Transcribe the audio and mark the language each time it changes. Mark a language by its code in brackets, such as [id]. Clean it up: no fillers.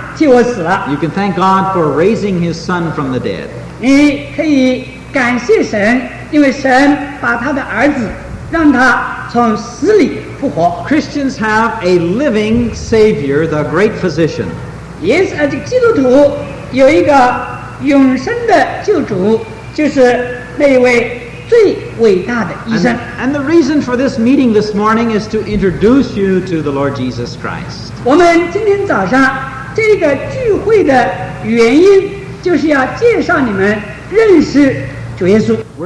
[en] You can thank God for raising his son from the dead. [zh] 你可以感谢神，因为神把他的儿子让他从死里复活。 [en] Christians have a living Savior, the great physician. Yes, [zh] 基督徒有一个永生的救主，就是那位最伟大的医生。 [en] And the reason for this meeting this morning is to introduce you to the Lord Jesus Christ. [zh] 我们今天早上 这个聚会的原因就是要介绍你们认识主耶稣。